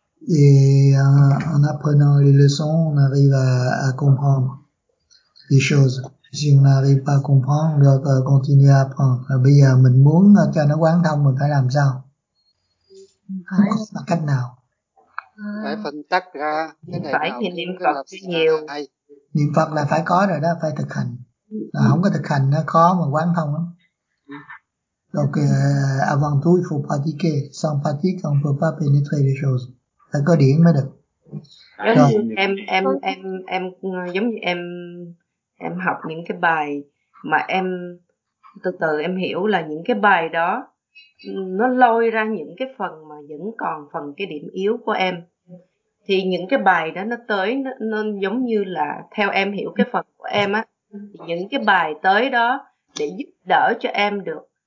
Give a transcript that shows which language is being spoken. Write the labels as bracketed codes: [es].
[fr] Et en apprenant les leçons, on arrive à comprendre les choses. Si on n'arrive pas à comprendre, on doit continuer à apprendre. Alors, [vi] bây giờ mình muốn cho nó quán thông, mình phải làm sao? Phải cách nào? Phải phân tách ra. Phải thì niệm Phật nhiều. Niệm Phật là phải có rồi đó, phải thực hành. Là không có thực hành nó khó mà quán thông lắm. [fr] Donc avant tout il faut pratiquer, sans pratique on peut pas pénétrer les choses. [vi] Phải có điểm mới được. Rồi. Em giống như em học những cái bài mà em từ từ em hiểu là những cái bài đó nó lôi ra những cái phần mà vẫn còn phần cái điểm yếu của em. Thì những cái bài đó nó tới, nó giống như là theo em hiểu cái phần của em á, những cái bài tới đó để giúp đỡ cho em được